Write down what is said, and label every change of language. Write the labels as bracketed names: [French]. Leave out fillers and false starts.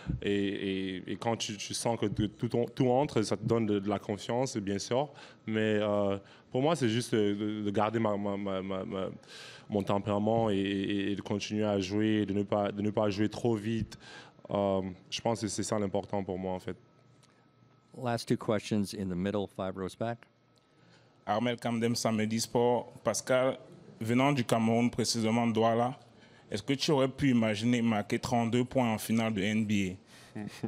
[French] Et quand tu sens que tout entre, ça te donne de la confiance, bien sûr. Mais pour moi, c'est juste de garder mon tempérament et de continuer à jouer, de ne pas jouer trop vite. Je pense que c'est ça l'important pour moi, en fait. [English] Last two questions in the middle, five rows back. [French] Armel Kamdem, Samedi Sport. Pascal, venant du Cameroun, précisément Douala, est-ce que tu aurais pu imaginer marquer 32 points en finale de NBA?